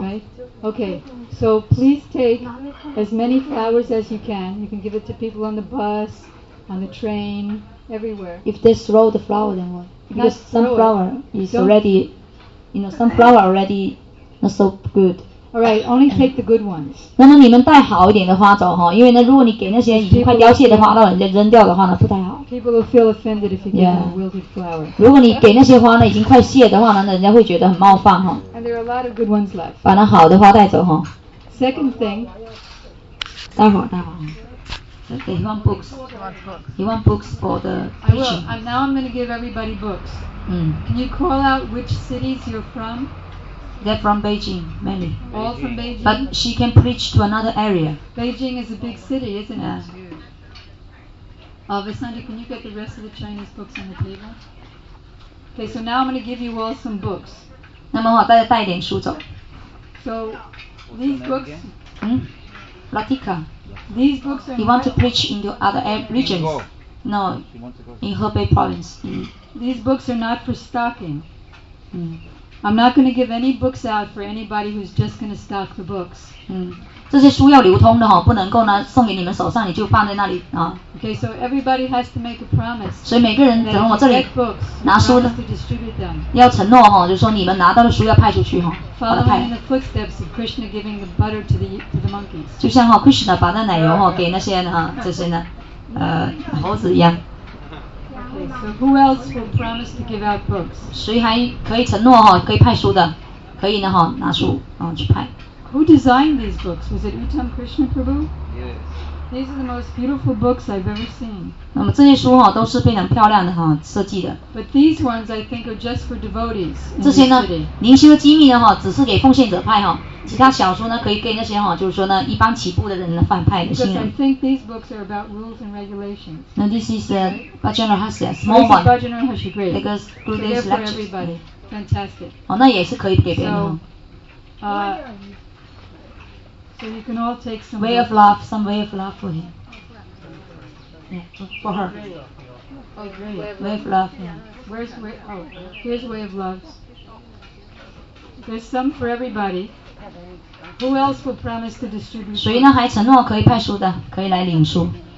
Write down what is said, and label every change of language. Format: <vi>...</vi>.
<en>？Right. Okay. So please take as many flowers as you can. You can give it to people on the bus, on the train, everywhere. If they throw the flower, then what? Because sunflower is already, you know, sunflower already not so good. All right. Only take the good ones.</en> <zh>那么你们带好一点的花走哈，因为呢，如果你给那些已经快凋谢的花，让人家扔掉的话呢，不太好。</zh> <en>People will feel offended if you give them a wilted flower.</en> <zh>如果你给那些花呢已经快谢的话呢，人家会觉得很冒犯哈。</zh> <en>And there are a lot of good ones left.</en> <zh>把那好的花带走哈。</zh> <en>Second thing.</en> <zh>待会儿。</zh> <en>He wants books for the teaching. I will. Now I'm going to give everybody books. Can you call out which cities you're from? They're from Beijing, mainly. All from Beijing? But she can preach to another area. Beijing is a big city, isn't it? Yeah. Vasanta, can you get the rest of the Chinese books on the table? Okay, so now I'm going to give you all some books.</en> <zh>那么好，大家带一点书走。</zh> <en>So, these books... Latika. These books are he wants to preach in the other regions. No, in Hebei province. These books are not for stocking. I'm not going to give any books out for anybody who's just going to stock the books.</en> <zh>这些书要流通的不能够呢送给你们手上你就放在那里啊。</zh> <en>Okay, so everybody has to make a promise.</en> <zh>所以每个人从我这里拿书呢，要承诺就说你们拿到的书要派出去</zh> <en>Following in the footsteps of Krishna giving the butter to the monkeys.</en> <zh>就像Krishna 把那奶油给那些这些呢猴子一样。</zh> <en>Okay, so who else will promise to give out books?</en> <zh>谁还可以承诺可以派书的，可以呢拿书去派。</zh> <en>Who designed these books? Was it Uttam Krishna Prabhu? Yes. These are the most beautiful books I've ever seen.</en> <zh>那么这些书都是非常漂亮的设计的。</zh> <en>But these ones I think are just for devotees.</en> <zh>这些呢，灵修机密呢只是给奉献者派其他小书呢可以给那些就是说呢一般起步的人的反派的新人。</zh> <en>Because I think these books are about rules and regulations. Now this is the Bajanarhasya, small one. Bajanarhasya, great. Because good day's lecture. For everybody, fantastic.</en> <zh>那也是可以给别人</zh> <en>So you can all take some way of love, some way of love for him. For her. Oh, great. Way of love, Where's way? Here's way of love. There's some for everybody. Who else will promise to distribute?</en> <zh>谁呢？还承诺可以派书的，可以来领书。</zh>